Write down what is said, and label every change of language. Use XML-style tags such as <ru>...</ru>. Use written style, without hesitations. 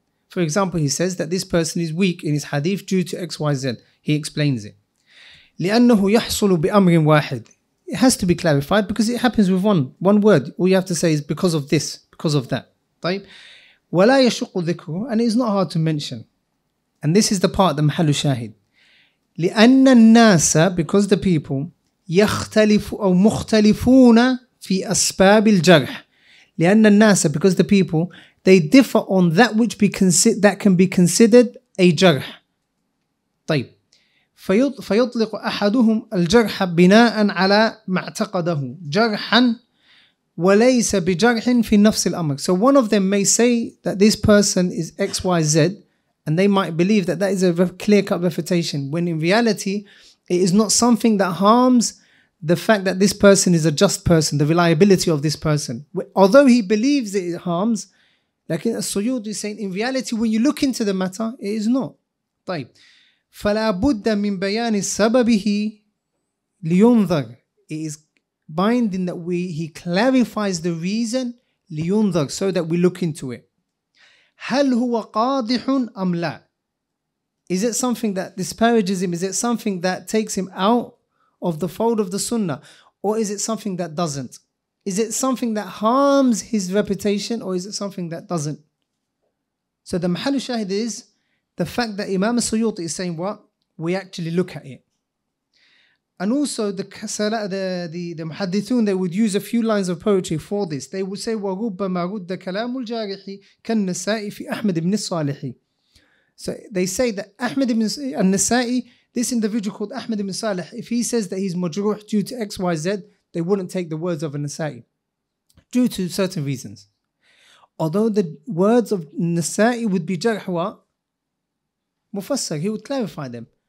<en>For example, he says that this person is weak in his hadith due to X, Y, Z. He explains it.</en> <ar>لأنه يحصل بأمر واحد.</ar> <en>It has to be clarified because it happens with one word. All you have to say is because of this, because of that.</en> <ar>طيب. ولا يشق ذكره,</ar> <en>and it's not hard to mention. And this is the part the محل شاهد.</en> <ar>لأن الناس,</ar> <en>because the people,</en> <ar>يختلف أو مختلفون في أسباب الجرح. لأن الناس,</ar> <en>because the people, they differ on that which be that can be considered a جرح.</en> <ar>طيب. فيطلق أحدهم الجرح بناء على ما اعتقده جرحا وليس بجرح في نفس الأمر.</ar> <en>So one of them may say that this person is XYZ, and they might believe that that is a clear-cut refutation, when in reality, it is not something that harms the fact that this person is a just person, the reliability of this person. Although he believes it harms, like Saud is saying, in reality, when you look into the matter, it is not.</en> <ar>طيب. فلا بد من بيان سببه لينظر.</ar> <en>It is binding that he clarifies the reason لينظر, so that we look into it.</en> <ar>هل هو قاضح أم لا?</ar> <en>Is it something that disparages him? Is it something that takes him out of the fold of the Sunnah? Or is it something that doesn't? Is it something that harms his reputation? Or is it something that doesn't? So the محل الشاهد is the fact that Imam Suyuti is saying what? We actually look at it. And also the muhadithun, they would use a few lines of poetry for this.</en> <ar>They would say, وَرُبَّمَا رُدَّ كَلَامُ الْجَارِحِ كَالنَّسَائِ فِي أَحْمَدِ بْنِ الصَّالِحِ.</ar> <en>So they say that Ahmed ibn al-Nasa'i, this individual called Ahmed ibn Salih, if he says that he's majruh due to XYZ, they wouldn't take the words of al-Nasa'i due to certain reasons. Although the words of al-Nasa'i would be jarhwa, mufassar, he would clarify them.</en>